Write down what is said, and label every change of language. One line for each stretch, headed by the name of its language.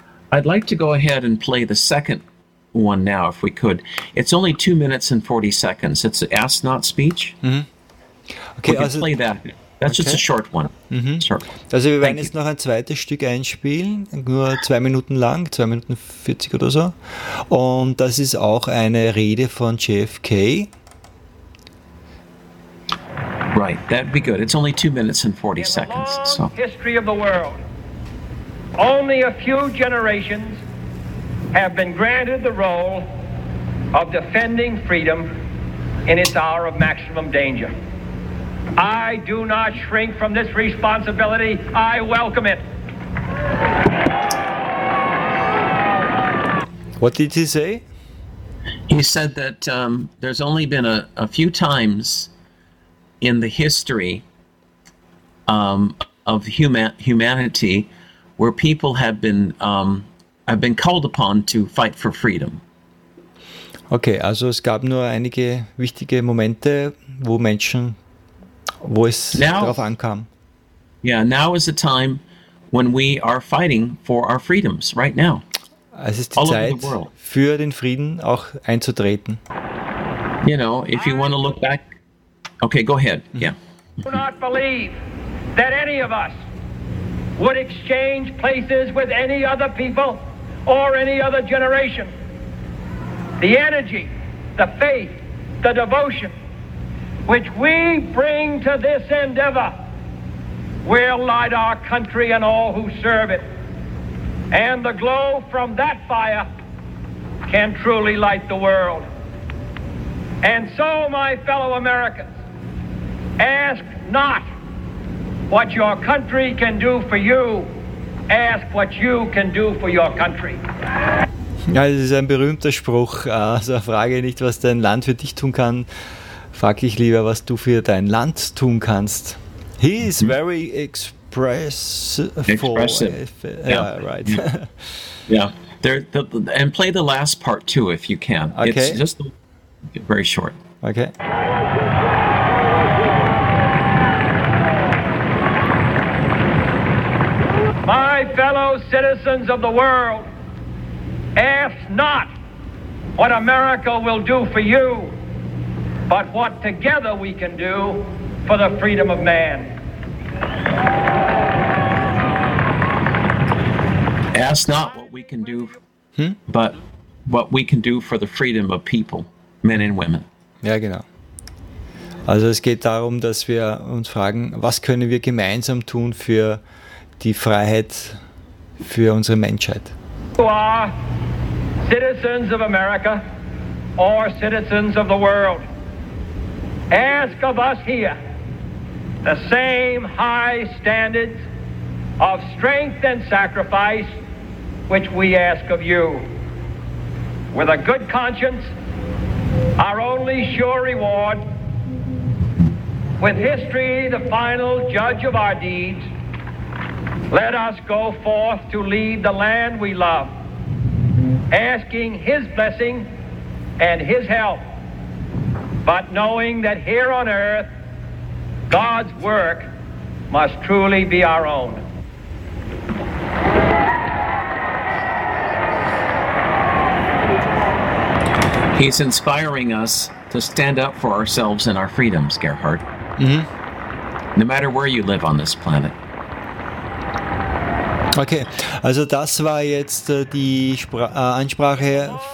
English: I'd like to go ahead and play the second one now, if we could. It's only 2 minutes and 40 seconds. It's an Ask Not speech. Mm-hmm. Okay, we can play that. That's okay. Just a short one. Mm-hmm. Sure.
German: Also, wir werden jetzt noch ein zweites Stück einspielen, nur 2 Minuten lang, 2 Minuten 40 oder so. Und das ist auch eine Rede von JFK.
English: Right, that'd be good. It's only 2 minutes and 40 In seconds. The long history of the world. Only a few generations have been granted the role of defending freedom in its hour of maximum danger. I do not shrink from this responsibility. I welcome it. What did he say? He said that there's only been a few times in the history of humanity, where people have been called upon to fight for freedom.
German: Okay, also es gab nur einige wichtige Momente, wo Menschen, wo es darauf ankam.
English: Yeah, now is the time when we are fighting for our freedoms right now.
German: Es ist die Zeit, für den Frieden auch einzutreten.
English: You know, if you want to look back. Okay, go ahead. Yeah. Do not believe that any of us would exchange places with any other people or any other generation. The energy, the faith, the devotion which we bring to this endeavor will light our country and all who serve it. And the glow from that fire can truly light the world. And so, my fellow Americans, ask not what your country can do for you, ask what you can do for your country.
German: Ja, das ist ein berühmter Spruch. Also frage nicht, was dein Land für dich tun kann, frag ich lieber, was du für dein Land tun kannst.
English: He is very expressive. Right. And play the last part too, if you can. Okay. It's just very short. Okay. My fellow citizens of the world, ask not what America will do for you, but what together we can do for the freedom of man. Ask not what we can do, but what we can do for the freedom of people, men and women.
German: Ja, genau. Also es geht darum, dass wir uns fragen, was können wir gemeinsam tun für die Freiheit für unsere Menschheit.
English: You are citizens of America or citizens of the world. Ask of us here the same high standards of strength and sacrifice which we ask of you. With a good conscience, our only sure reward, with history the final judge of our deeds, let us go forth to lead the land we love, asking his blessing and his help, but knowing that here on earth, God's work must truly be our own. He's inspiring us to stand up for ourselves and our freedoms, Gerhard. Mm-hmm. No matter where you live on this planet.
German: Okay, also das war jetzt die Ansprache.